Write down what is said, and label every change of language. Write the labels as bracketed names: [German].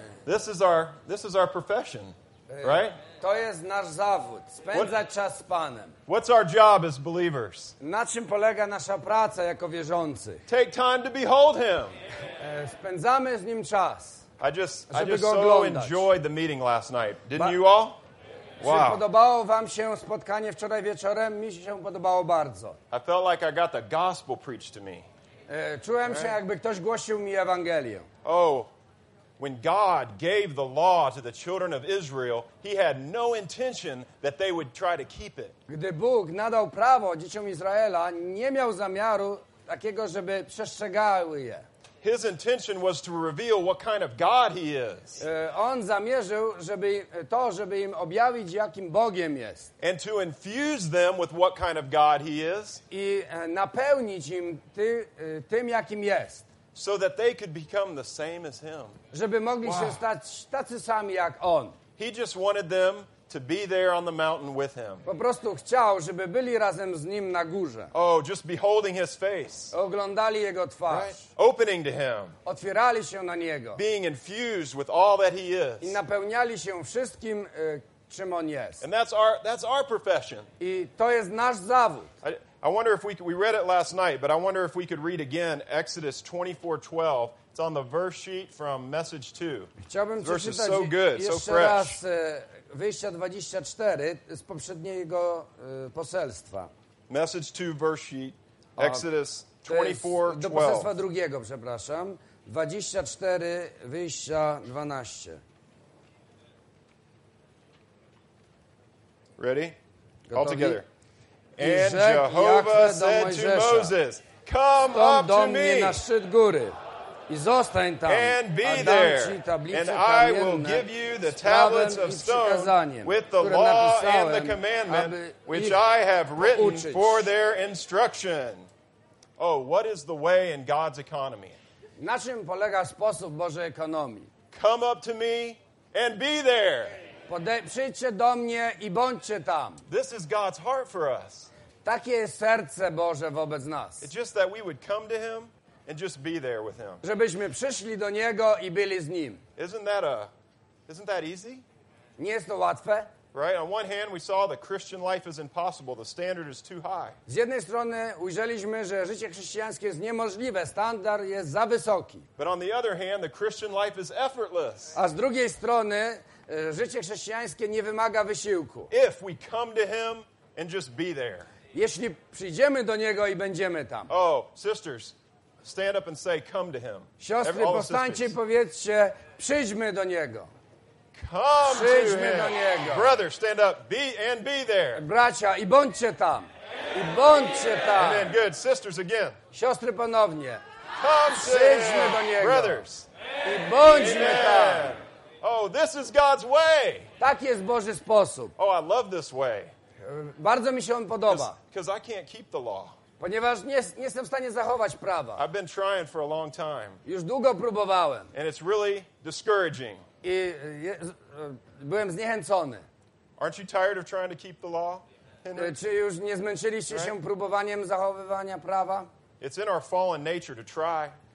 [English] This is our profession, right? [Polish] To jest nasz zawód. Spędzać czas z Panem. [English] What's our job as believers? [Polish] Na czym polega nasza praca jako wierzący? [English] Take time to behold Him. [Polish] Spędzamy z Nim czas. [English] I just so enjoyed the meeting last night. Didn't you all? Wow. [Polish] Czy podobało wam się spotkanie wczoraj wieczorem? Mi się podobało bardzo. [English] I felt like I got the gospel preached to me. [Polish] Czułem się, jakby ktoś głosił mi Ewangelię. [English] Oh, when God gave the law to the children of Israel, He had no intention that they would try to keep it. [Polish] Gdy Bóg nadał prawo dzieciom Izraela, nie miał zamiaru takiego, żeby przestrzegały je. [English] His intention was to reveal what kind of God He is. [Polish] On zamierzył, żeby im objawić, jakim Bogiem jest. [English] And to infuse them with what kind of God He is. [Polish] I napełnić im tym, jakim jest. [English] So that they could become the same as Him. [Polish] Żeby mogli się stać tacy sami jak On. [English] He just wanted them to be there on the mountain with Him. [Polish] Po prostu chciał, żeby byli razem z Nim na górze. [English] Oh, just beholding His face. [Polish] Oglądali Jego twarz. [English] Right? Opening to Him. [Polish] Otwierali się na Niego. [English] Being infused with all that He is. [Polish] I napełniali się wszystkim, czym On jest. [English] And that's our profession. [Polish] I to jest nasz zawód. [English] I wonder if we read it last night, but I wonder if we could read again Exodus 24:12. It's on the verse sheet from Message 2. [Polish] Chciałbym [English] verse [Polish] przeczytać [English] is so good, [Polish] jeszcze [English] so fresh. [Polish] Raz Wyjścia 24 z poprzedniego poselstwa. [English] Message 2, verse sheet, Exodus 24:12. [Polish] Do poselstwa drugiego, przepraszam. 24, Wyjścia 12. [English] Ready? [Polish] Gotowi? [English] All together. And Jehovah said to Moses, come up to me. [Polish] Na szczyt góry. I zostań tam. [English] And be there. And I will give you the tablets of stone with the law and the commandment which I have written for their instruction. Oh, what is the way in God's economy? [Polish] Na czym polega sposób Bożej ekonomii? [English] Come up to me and be there. [Polish] Przyjdźcie do mnie i bądźcie tam. [English] This is God's heart for us. [Polish] Takie jest serce Boże wobec nas. [English] It's just that we would come to Him and just be there with Him. [Polish] Żebyśmy przyszli do Niego i byli z Nim. [English] Isn't that easy? [Polish] Nie jest to łatwe? [English] Right? On one hand, we saw the Christian life is impossible. The standard is too high. [Polish] Z jednej strony ujrzeliśmy, że życie chrześcijańskie jest niemożliwe. Standard jest za wysoki. [English] But on the other hand, the Christian life is effortless. [Polish] A z drugiej strony życie chrześcijańskie nie wymaga wysiłku. [English] If we come to Him and just be there. [Polish] Jeśli przyjdziemy do Niego i będziemy tam. [English] Oh, sisters, stand up and say, come to Him. [Polish] Siostry, powstańcie i powiedzcie, przyjdźmy do Niego. [English] Come [Polish] przyjdźmy [English] to him. [Polish] Do Niego. [English] Brother, stand up and be there. [Polish] Bracia, i bądźcie tam. I bądźcie tam. [English] Amen. Good. Sisters, again. [Polish] Siostry, ponownie. [English] Come [Polish] przyjdźmy [English] to him. [Polish] Do Niego. [English] Brothers. [Polish] I bądźmy [English] Amen. [Polish] Tam. [English] Oh, this is God's way. [Polish] Tak jest Boży sposób. [English] Oh, I love this way. [Polish] Bardzo mi się on podoba. [English] Because I can't keep the law. [Polish] Ponieważ nie jestem w stanie zachować prawa. [English] I've been trying for a long time. [Polish] Już długo próbowałem. [English] And it's really discouraging. [Polish] I byłem zniechęcony. [English] Aren't you tired of trying to keep the law? [Polish] Czy już nie zmęczyliście [English] right? [Polish] się próbowaniem zachowywania prawa? [English] It's in our fallen nature to try.